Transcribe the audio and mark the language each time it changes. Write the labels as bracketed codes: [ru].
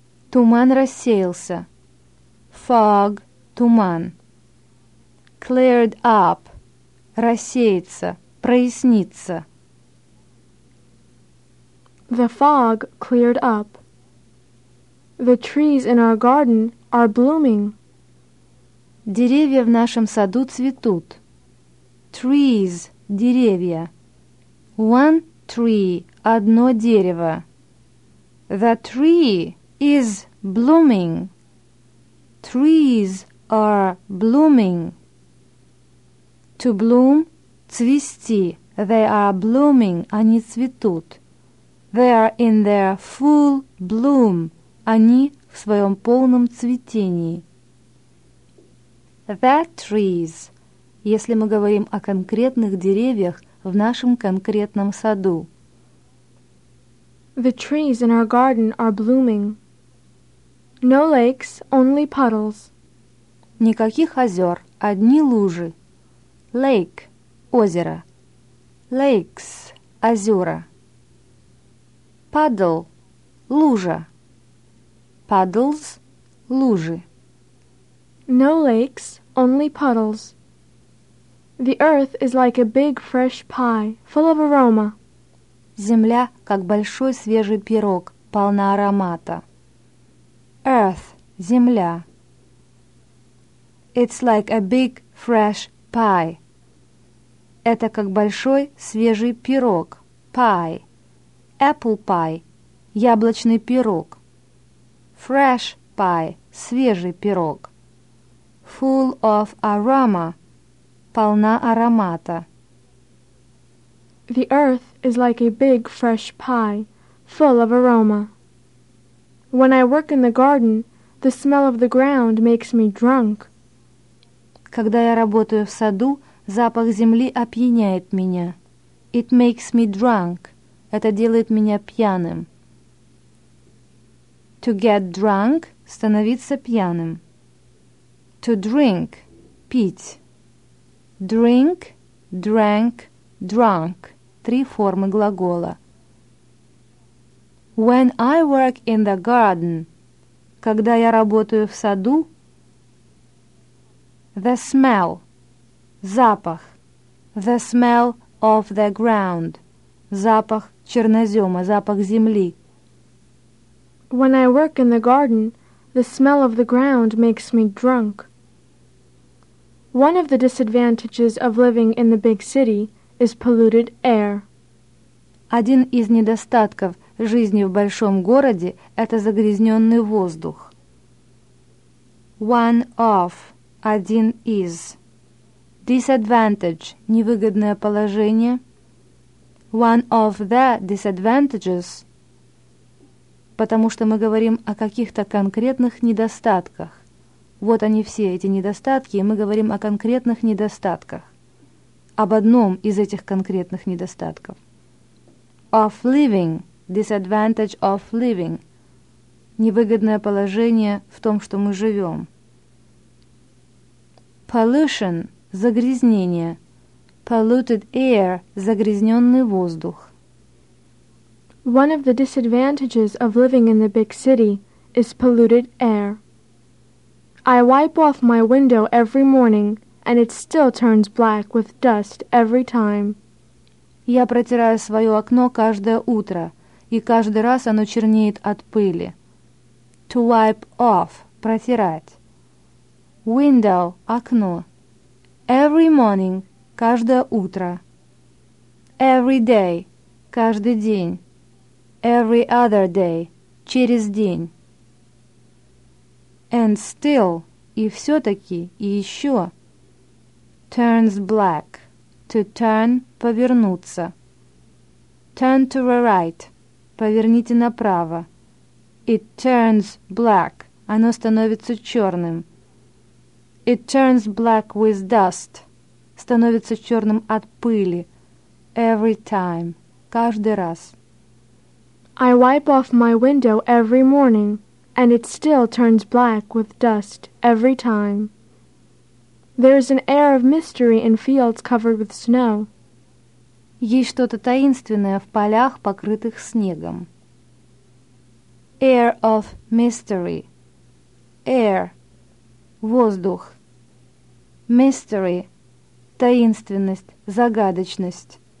[ru] Туман рассеялся. Fog – туман. [en] Cleared up [ru] – рассеется, прояснится. [en] The fog cleared up. The trees in our garden are blooming. [ru] Деревья в нашем саду цветут. Trees – деревья. [en] One tree, [ru] одно дерево. [en] The tree is blooming. Trees are blooming. To bloom, цвести. They are blooming, [ru] они цветут. [en] They are in their full bloom. [ru] Они в своем полном цветении. [en] That trees. [ru] Если мы говорим о конкретных деревьях в нашем конкретном саду. [en] The trees in our garden are blooming. No lakes, only puddles. [ru] Никаких озер, одни лужи. Lake – озеро. Lakes – озера. Puddle – лужа. Puddles – лужи. [en] No lakes, only puddles. The earth is like a big fresh pie, full of aroma. [ru] Земля, как большой свежий пирог, полна аромата. Earth – земля. [en] It's like a big fresh pie. [ru] Это как большой свежий пирог. [en] Pie. Apple pie. [ru] Яблочный пирог. [en] Fresh pie. [ru] Свежий пирог. [en] Full of aroma. [ru] Полна аромата. [en] The earth is like a big fresh pie, full of aroma. When I work in the garden, the smell of the ground makes me drunk. [ru] Когда я работаю в саду, запах земли опьяняет меня. [en] It makes me drunk. [ru] Это делает меня пьяным. [en] To get drunk – [ru] становиться пьяным. [en] To drink – пить. Drink, drank, drunk [ru] – три формы глагола. [en] When I work in the garden – [ru] когда я работаю в саду, [en] the smell – запах. The smell of the ground. [ru] Запах чернозема, запах земли. [en] When I work in the garden, the smell of the ground makes me drunk. One of the disadvantages of living in the big city is polluted air. [ru] Один из недостатков жизни в большом городе – это загрязненный воздух. [en] One of – [ru] один из. Disadvantage – невыгодное положение. [en] One of the disadvantages. [ru] Потому что мы говорим о каких-то конкретных недостатках. Вот они все, эти недостатки, и мы говорим о конкретных недостатках. Об одном из этих конкретных недостатков. [en] Of living – disadvantage of living. [ru] Невыгодное положение в том, что мы живем. [en] Pollution – загрязнение. Polluted air – [ru] загрязненный воздух. [en] One of the disadvantages of living in the big city is polluted air. I wipe off my window every morning, and it still turns black with dust every time. [ru] Я протираю свое окно каждое утро, и каждый раз оно чернеет от пыли. [en] To wipe off – протирать. Window – окно. Every morning – [ru] каждое утро. [en] Every day – [ru] каждый день. [en] Every other day – [ru] через день. [en] And still [ru] – и все-таки, и еще. [en] Turns black – to turn – повернуться. Turn to the right – [ru] поверните направо. [en] It turns black – [ru] оно становится черным. [en] It turns black with dust. [ru] Становится черным от пыли. [en] Every time. [ru] Каждый раз. [en] I wipe off my window every morning, and it still turns black with dust every time. There is an air of mystery in fields covered with snow. [ru] Есть что-то таинственное в полях, покрытых снегом. [en] Air of mystery. Air. Воздух. [ru] Mystery – таинственность, загадочность.